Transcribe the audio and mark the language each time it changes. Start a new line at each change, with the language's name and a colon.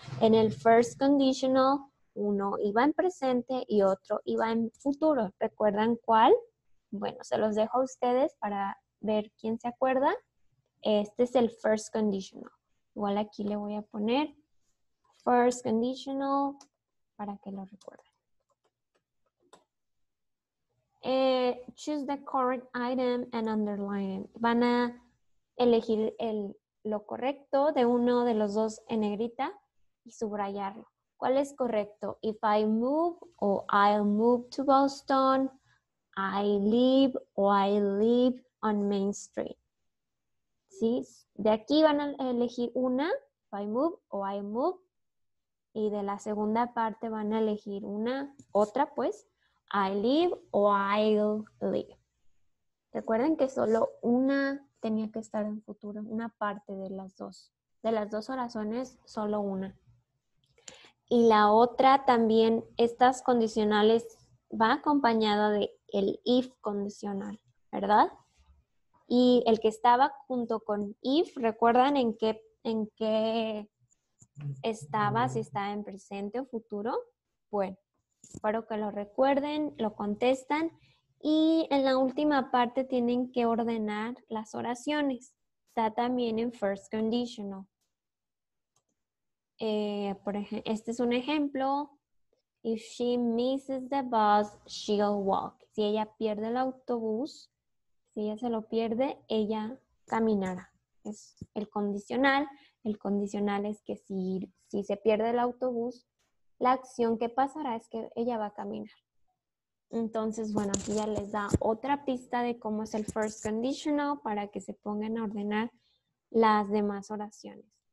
Spanish: En el first conditional, uno iba en presente y otro iba en futuro. ¿Recuerdan cuál? Bueno, se los dejo a ustedes para ver quién se acuerda. Este es el first conditional. Igual aquí le voy a poner first conditional para que lo recuerden.
English: Choose the correct item and underline it.
Spanish: Van a elegir lo correcto de uno de los dos en negrita y subrayarlo. ¿Cuál es correcto?
English: If I move o I'll move to Boston, I live o I live on Main Street.
Spanish: ¿Sí? De aquí van a elegir una,
English: if I move
Spanish: o
English: I move.
Spanish: Y de la segunda parte van a elegir una, otra pues,
English: I live
Spanish: o
English: I'll live.
Spanish: Recuerden que solo una tenía que estar en futuro, una parte de las dos. De las dos oraciones, solo una. Y la otra también, estas condicionales va acompañada de el if condicional, ¿verdad? Y el que estaba junto con if, ¿recuerdan en qué estaba? Si estaba en presente o futuro. Bueno, espero que lo recuerden, lo contestan. Y en la última parte tienen que ordenar las oraciones. Está también en first conditional. Este es un ejemplo.
English: If she misses the bus, she'll walk.
Spanish: Si ella pierde el autobús, si ella se lo pierde, ella caminará. Es el condicional. El condicional es que si se pierde el autobús, la acción que pasará es que ella va a caminar. Entonces, bueno, aquí ya les da otra pista de cómo es el first conditional para que se pongan a ordenar las demás oraciones.